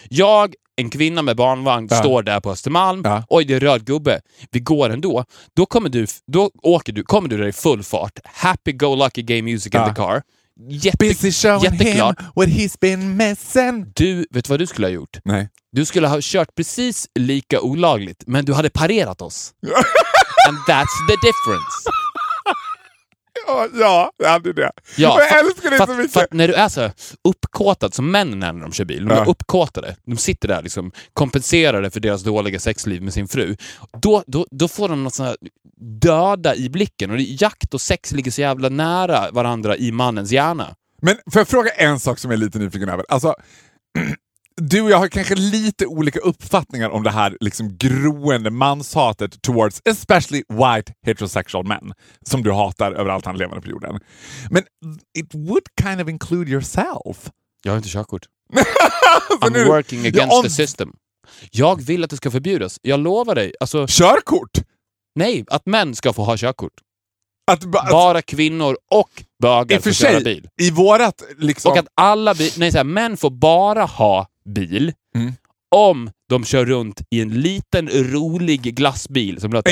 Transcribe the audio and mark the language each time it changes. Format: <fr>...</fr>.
<sv>Jag, en kvinna med barnvagn, står där på Östermalm. Oj, det är röd gubbe. Vi går ändå. Då kommer du där i full fart.</sv> <en>Happy go lucky gay music in the car.</en> <sv>Jätteklart.</sv> <en>What he's been missing.</en> <sv>Du, vet vad du skulle ha gjort? Nej. Du skulle ha kört precis lika olagligt, men du hade parerat oss.</sv> <en>And that's the difference.</en> <sv>Ja, det hade det. Ja, jag älskar det så mycket. För när du är så uppkåtad som män när de kör bil, de är uppkåtade, de sitter där liksom, kompenserar det för deras dåliga sexliv med sin fru, då får de något sådana döda i blicken. Och jakt och sex ligger så jävla nära varandra i mannens hjärna. Men får jag fråga en sak som jag är lite nyfiken över? Alltså, du och jag har kanske lite olika uppfattningar om det här liksom groende manshatet</sv> <en>towards especially white heterosexual men</en> <sv>som du hatar överallt han lever på jorden. Men</sv> <en>it would kind of include yourself.</en> <sv>Jag har inte körkort.</sv> <en>I'm</en> <sv>nu,</sv> <en>working against the system.</en> <sv>Jag vill att det ska förbjudas. Jag lovar dig. Alltså, körkort? Nej, att män ska få ha körkort. Bara kvinnor och bögar får köra bil. I vårat liksom. Och att alla män får bara ha bil om de kör runt i en liten rolig glassbil som låter</sv>